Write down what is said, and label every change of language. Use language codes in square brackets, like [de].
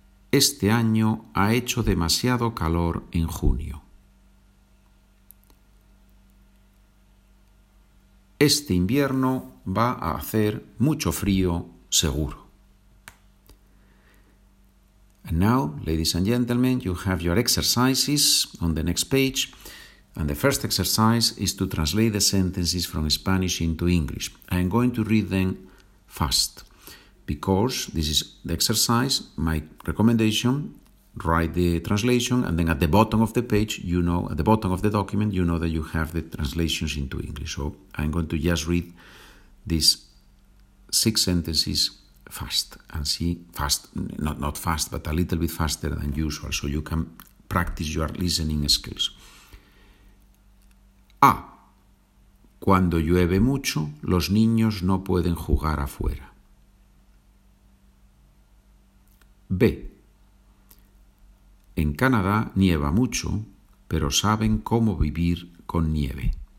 [es] Este año ha hecho demasiado calor en junio. Este invierno va a hacer mucho frío, seguro. [en] And now, ladies and gentlemen, you have your exercises on the next page. And the first exercise is to translate the sentences from Spanish into English. I am going to read them fast, because this is the exercise, my recommendation. Write the translation, and then at the bottom of the page, you know, at the bottom of the document, you know that you have the translations into English. So I'm going to just read these six sentences fast and see fast, not fast, but a little bit faster than usual, so you can practice your listening skills. A. [es] Cuando llueve mucho, los niños no pueden jugar afuera. B. En Canadá nieva mucho, pero saben cómo vivir con nieve.